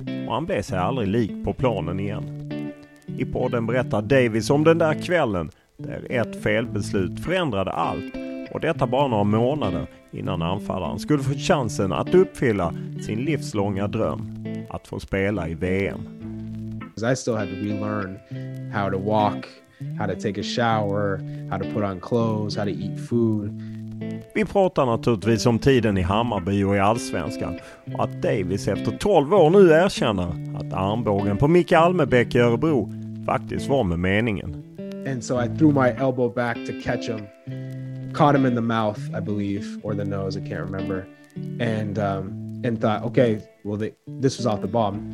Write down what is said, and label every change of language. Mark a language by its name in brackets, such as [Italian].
[Swedish] Och han blev sig aldrig lik på planen igen. I podden berättar Davies om den där kvällen där ett felbeslut förändrade allt, och detta bara några månader innan anfallaren skulle få chansen att uppfylla sin livslånga dröm att få spela i VM. [English] I still had to relearn how to walk, how to take a shower, how to put on clothes, how to eat food. [Swedish] Vi pratar naturligtvis om tiden i Hammarby och i Allsvenskan, och att Davies efter 12 år nu erkänner att armbågen på Micke Almebäck i Örebro faktiskt var med meningen. [English] And so I threw my elbow back to catch him. Caught him in the mouth, I believe, or the nose, I can't remember. And thought, okay, well, this was off the ball.